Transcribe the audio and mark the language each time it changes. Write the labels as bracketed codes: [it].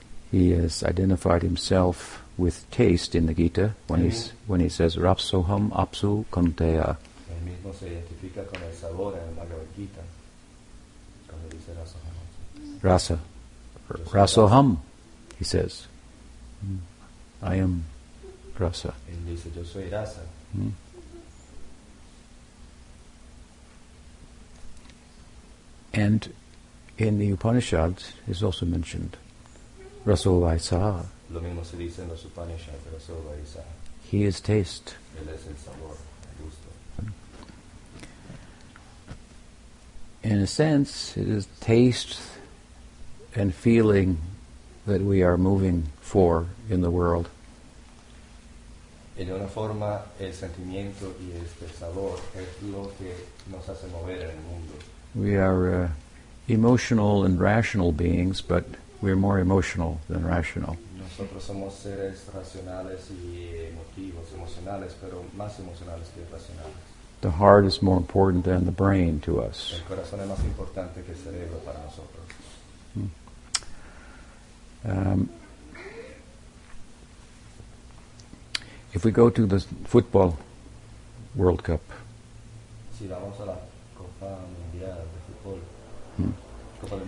[en] He has identified himself with taste in the Gita when he says [sa] Rapsoham Apsu Kanteya. [es] Él mismo se identifica con el sabor en la Bhagavad Gita. Cuando dice [en] Rasoham, he says. I am rasa. [es] Él dice, yo soy rasa. [en] And in the Upanishads, is also mentioned, rasovaisa. [es] Lo mismo se dice en los Upanishads, rasovaisa. [en] He is taste. [es] Él es el sabor, el gusto. [en] In a sense, it is taste and feeling that we are moving for in the world. [es] Y de una forma, el sentimiento y este sabor es lo que nos hace mover en el mundo. [en] We are emotional and rational beings, but we're more emotional than rational. [es] Nosotros somos seres racionales y emotivos, emocionales, pero más emocionales que racionales. [en] The heart is more important than the brain to us. [es] El corazón es más importante que el cerebro para nosotros. [en] If we go to the Football World Cup, [es] si vamos a la Copa Mundial de Fútbol,